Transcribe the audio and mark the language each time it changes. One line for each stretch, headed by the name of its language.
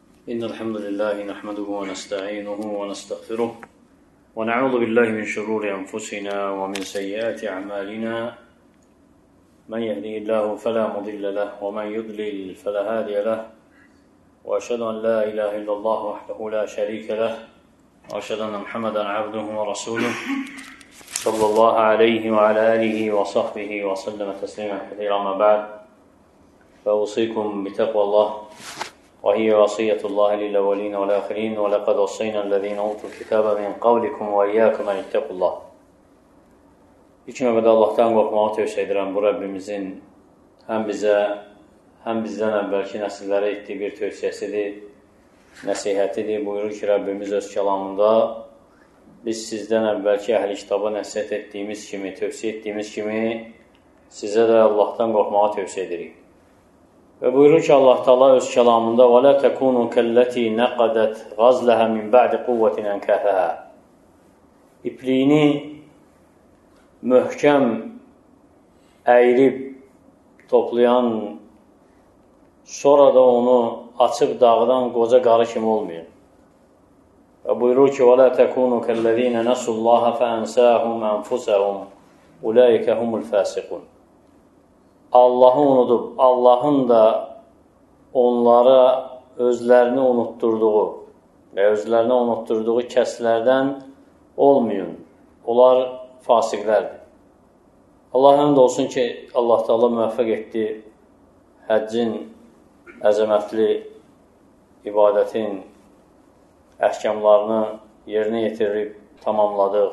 Arabic: إن الحمد لله نحمده ونستعينه ونستغفره ونعوذ بالله من شرور أنفسنا ومن سيئات أعمالنا، من يهدي الله فلا مضل له ومن يضلل فلا هادي له، وأشهد أن لا إله إلا الله وحده لا شريك له، وأشهد أن محمدا عبده ورسوله صلى الله عليه وعلى آله وصحبه وسلم تسليما كثيرا. ما بعد، فأوصيكم بتقوى الله وهي وصية الله للأولين والآخرين، ولقد وصينا الذين أوتوا الكتاب من قبلكم وإياكم أن اتقوا الله.
Azerbaijani: İlk növbədə Allahdan qorxmağı tövsiyə edirəm. Bu Rəbbimizin həm bizə, həm bizdən əvvəlki nəsillərə etdiyi bir tövsiyəsidir, nəsihətidir. Buyurur ki, Rəbbimiz öz kəlamında, biz sizdən əvvəlki əhli kitabı nəsihət etdiyimiz kimi, tövsiyə etdiyimiz kimi, sizə də Allahdan qorxmağı tövsiyə edirik. Və buyurur ki, Allah Taala öz kəlamında,
Arabic: وَلَا تَكُونُوا كَلَّتِي نَقَدَتْ غَزْلَهَا مِنْ بَعْدِ قُوَّةٍ أَنْكَاثَهَا.
Azerbaijani: İpliyini möhkəm əyirib toplayan, sonra da onu açıb dağdan qoca qarı kimi olmayan. Və buyurur ki,
Arabic: وَلَا تَكُونُوا كَلَّذِينَ نَسُوا اللَّهَ فَأَنْسَاهُمْ أَنْفُسَهُمْ أُولَٰئِكَ هُمُ الْفَاسِقُونَ.
Azerbaijani: Allahı unudub, Allahın da onlara özlərini unutturduğu və özlərini unutturduğu kəslərdən olmayın. Onlar fasiqlərdir. Allah həmd olsun ki, Allah Taala müvəffəq etdi həccin əzəmətli ibadətin əhkamlarını yerinə yetirib tamamladı.